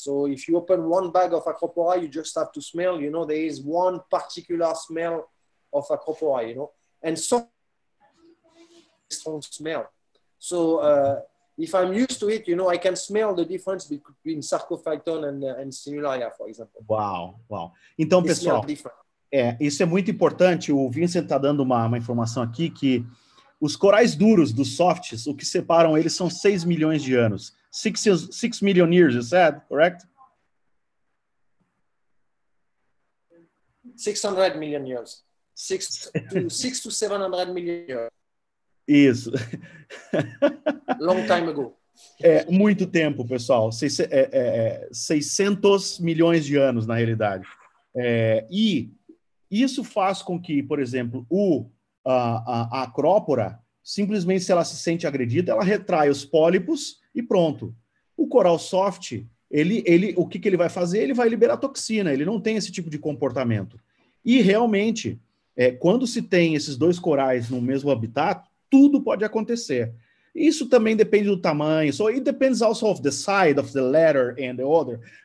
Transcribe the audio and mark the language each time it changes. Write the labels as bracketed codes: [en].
[en] So if you open one bag of acropora, you just have to smell, you know, there is one particular smell of acropora, you know, and so strong smell. So if I'm used to it, you know, I can smell the difference between sarcophyton and simularia, for example. [pt] Wow. Então, they pessoal, isso é muito importante. O Vincent tá dando uma informação aqui que os corais duros dos softs, o que separam eles são 6 milhões de anos. [en] 6 million years, you said, correct? 600 million years. 600 to 700 million years. [pt] Isso. [en] Long time ago. [pt] É muito tempo, pessoal. 600 milhões de anos, na realidade. E isso faz com que, por exemplo, a acrópora, simplesmente, se ela se sente agredida, ela retrai os pólipos e pronto. O coral soft, o que ele vai fazer? Ele vai liberar toxina, ele não tem esse tipo de comportamento. E realmente, quando se tem esses dois corais no mesmo habitat, tudo pode acontecer. Isso também depende do tamanho. [en] So it depends also of the side of the letter and the other.